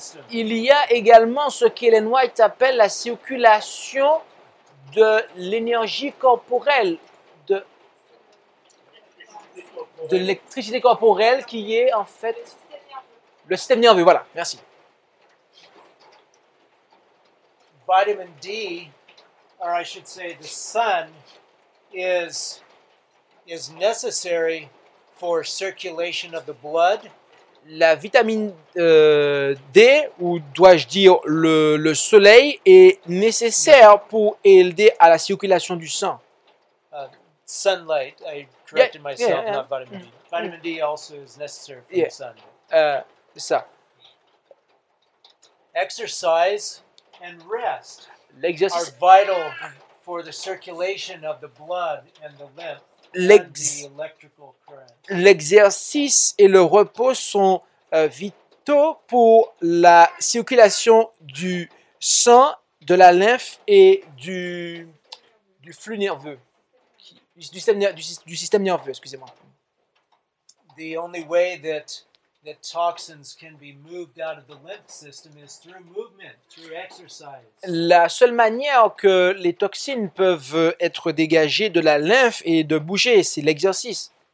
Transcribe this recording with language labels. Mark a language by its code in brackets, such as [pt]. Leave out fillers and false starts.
[fr] Il y a également ce qu'Ellen White appelle la circulation de l'énergie corporelle, de l'électricité corporelle qui est en fait le système nerveux. Voilà, merci. [en] Vitamin D, or I should say the sun, is necessary for circulation of the blood. [fr] La vitamine D, ou dois-je dire le soleil, est nécessaire pour aider à la circulation du sang. [en] Sunlight, I corrected myself, not vitamin D. Vitamin D also is necessary for the sun. [fr] C'est ça. [en] Exercise and rest are vital for the circulation of the blood and the lymph. [fr] L'exercice et le repos sont vitaux pour la circulation du sang, de la lymphe et du flux nerveux, du système nerveux, excusez-moi. [en] The only way that toxins can be moved out of the lymph system is through movement, through exercise. [fr] La seule manière que les toxines peuvent être dégagées de la lymphe et de bouger, c'est l'exercice.